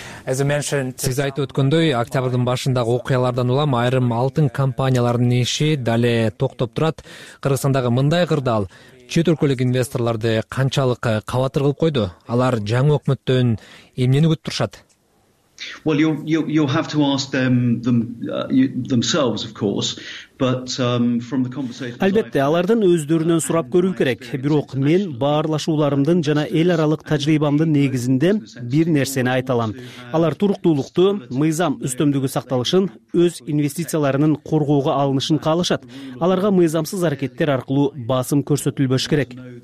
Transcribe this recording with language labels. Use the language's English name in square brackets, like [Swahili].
[Kyrgyz] Сиз айтып өткөндөй, октябрдын башындагы окуялардан улам айрым алтын компаниялардын иши дале токтоп турат. Кыргызстандагы мындай кырдаал чет өлкөлүк инвесторлорду канчалык кабатыр кылып койду? Алар жаңы өкмөттөн эмнени күтүп турушат? [English] Well, you'll have to ask themselves, of course. But from the conversation, [Kyrgyz] Albette, алардын өздөрүнөн сурап көрүү керек. Бирок мен баарлашууларымдын жана эл аралык тажрыйбамдын негизинде бир нерсени айта алам. Алар туруктуулукту, мыйзам үстөмдүгү сакталышын, өз инвестицияларынын коргоого алынышын каалашат. Аларга мыйзамсыз аракеттер аркылуу басым көрсөтүлбөш керек.